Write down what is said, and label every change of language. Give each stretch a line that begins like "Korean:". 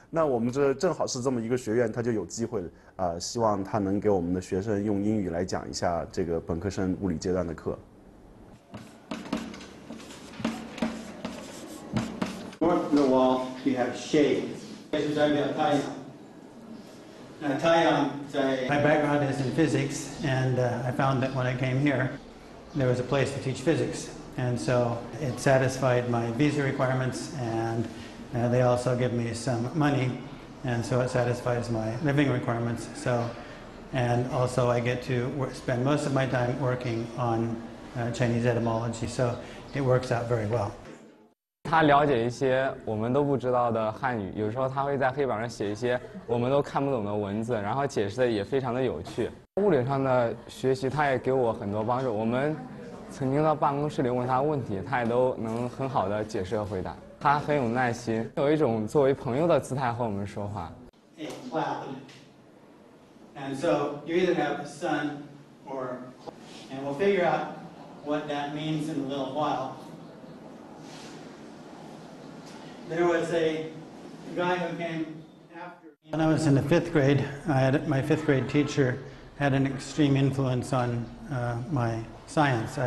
Chinese: 那我们这正好是这么一个学院，他就有机会希望他能给我们的学生用英语来讲一下这个本科生物理阶段的课。
English: North of the wall, you have shade.
Chinese: 这是代表太阳。那太阳在
English: My background is in physics, and I found that when I came here, there was a place to teach physics. And so it satisfied my visa requirements, and they also give me some money, and so it satisfies my living requirements. So, and also I get to spend most of my time working on Chinese etymology. So it works out very well.
Chinese: 他了解一些我们都不知道的汉语，有时候他会在黑板上写一些我们都看不懂的文字，然后解释的也非常的有趣。物理上的学习，他也给我很多帮助。我们。曾经到办公室里问他问题，他也都能很好的解释和回答。他很有耐心，有一种作为朋友的姿态和我们说话。
English: Hey, what happened? And so you either have the sun or, and we'll figure out what that means in a little while. There was a guy who came after. When I was in the fifth grade, I had my fifth grade teacher had an extreme influence on my. Science.